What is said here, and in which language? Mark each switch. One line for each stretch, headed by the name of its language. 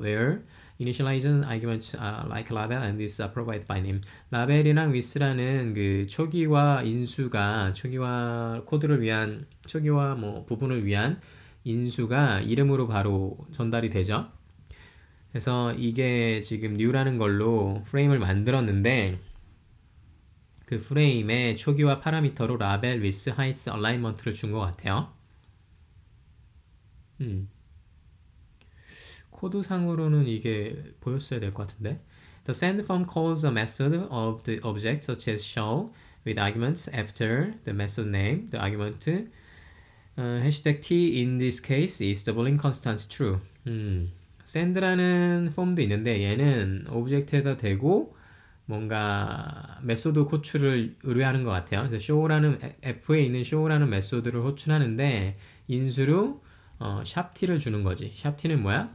English: where initialization arguments are like label and width are provided by name.
Korean: 라벨이랑 width라는 그 초기화 인수가, 초기화 코드를 위한, 초기화 뭐 부분을 위한 인수가 이름으로 바로 전달이 되죠. 그래서 이게 지금 new라는 걸로 프레임을 만들었는데 그 프레임에 초기화 파라미터로 라벨, 위스, 하이츠, 얼라인먼트를 준것 같아요. 코드상으로는 이게 보였어야 될것 같은데.
English: The send form calls a method of the object such as show with arguments after the method name, the argument hashtag t in this case is the boolean constant true.
Korean: send라는 폼도 있는데 얘는 오브젝트에다 대고 뭔가 메소드 호출을 의뢰하는 것 같아요. 그래서 show라는 F에 있는 show라는 메소드를 호출하는데 인수로 sharp t를 주는 거지. sharp t는 뭐야?